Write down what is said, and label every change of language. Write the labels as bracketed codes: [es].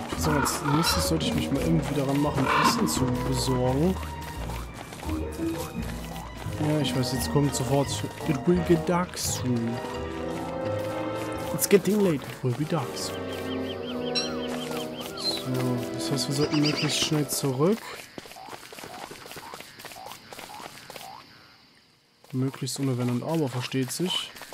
[de] Als nächstes sollte ich mich mal irgendwie daran machen, Essen zu besorgen. Ja, ich weiß, jetzt kommt sofort [en] It will get dark soon. It's getting late. It will be dark soon. [de] So, das heißt, wir sollten möglichst schnell zurück. Möglichst ohne Wenn und Aber, versteht sich.